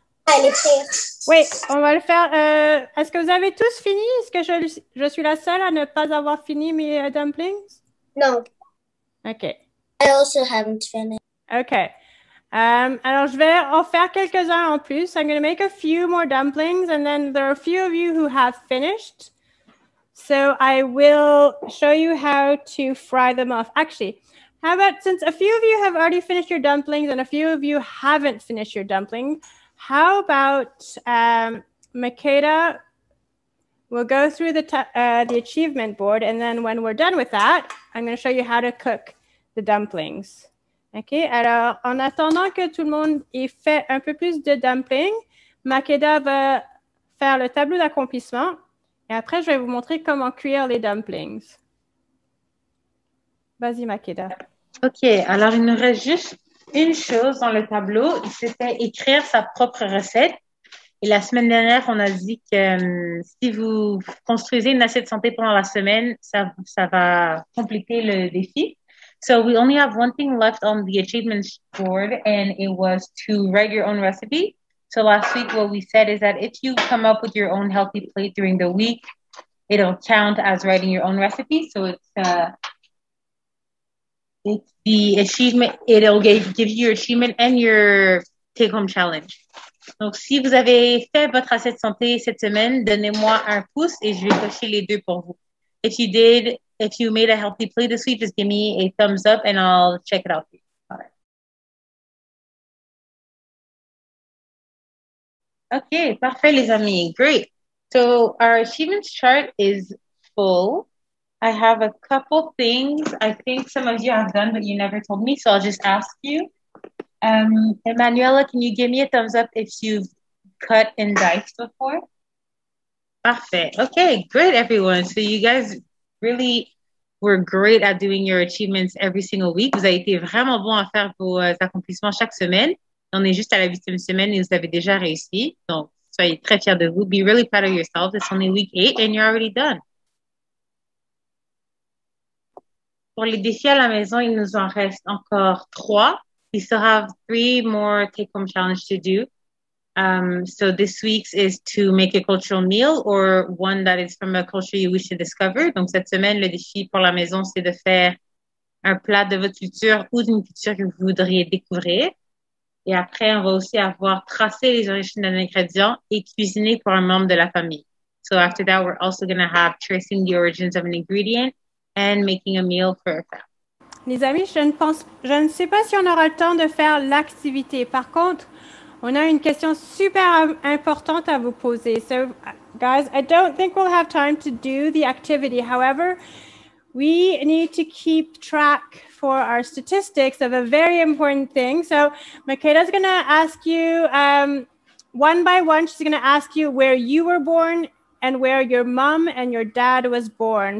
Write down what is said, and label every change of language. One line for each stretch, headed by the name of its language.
French: Ah, les frites. Oui, on va le faire. Est-ce que vous avez tous fini? Est-ce que je suis la seule à ne pas avoir fini mes dumplings? Non. OK.
English: I also haven't finished. OK.
French: Alors, je vais en faire quelques-uns en plus.
English: I'm going to make a few more dumplings, and then there are a few of you who have finished. So I will show you how to fry them off. Actually, how about since a few of you have already finished your dumplings and a few of you haven't finished your dumpling, how about Makeda will go through the achievement board, and then when we're done with that, I'm going to show you how to cook the dumplings.
French: OK, alors, en attendant que tout le monde ait fait un peu plus de dumplings, Makeda va faire le tableau d'accomplissement. Et après, je vais vous montrer comment cuire les dumplings. Vas-y, Makeda. OK, alors, il nous reste juste une chose dans le tableau. C'était écrire sa propre recette. Et la semaine dernière, on a dit que si vous construisez une assiette santé pendant la semaine, ça va compléter le défi.
English: So we only have one thing left on the achievements board, and it was to write your own recipe. So last week, what we said is that if you come up with your own healthy plate during the week, it'll count as writing your own recipe. So it's the achievement, it'll give you your achievement and your take-home challenge.
French: Donc, si vous avez fait votre assiette santé cette semaine, donnez-moi un pouce et je vais cocher les deux pour vous.
English: If you made a healthy plate this week, just give me a thumbs up and I'll check it out for you. All right. Okay,
French: parfait, les amis.
English: Great. So our achievements chart is full. I have a couple things I think some of you have done, but you never told me, so I'll just ask you. Emanuela, can you give me a thumbs up if you've cut and diced before? Parfait. Okay, great, everyone. So you guys really were great at doing your achievements every single week.
French: Vous avez été vraiment bon à faire vos accomplissements chaque semaine. On est juste à la 8e semaine et vous avez déjà réussi. Donc, soyez très fiers de vous.
English: Be really proud of yourself. It's only week 8 and you're already done.
French: Pour les défis à la maison, il nous en reste encore 3.
English: We still have 3 more take-home challenges to do. So this week's is to make a cultural meal or one that is from a culture you wish to discover.
French: Donc cette semaine, le défi pour la maison, c'est de faire un plat de votre culture ou d'une culture que vous voudriez découvrir. Et après, on va aussi avoir tracé les origines d'un ingrédient et cuisiné pour un membre de la famille.
English: So after that, we're also going to have tracing the origins of an ingredient and making a meal for a family.
French: Les amis, je ne sais pas si on aura le temps de faire l'activité. Par contre, on a une question super importante à vous poser.
English: So, guys, I don't think we'll have time to do the activity. However, we need to keep track for our statistics of a very important thing. So, Makeda's going to ask you, one by one, she's going to ask you where you were born and where your mom and your dad was born.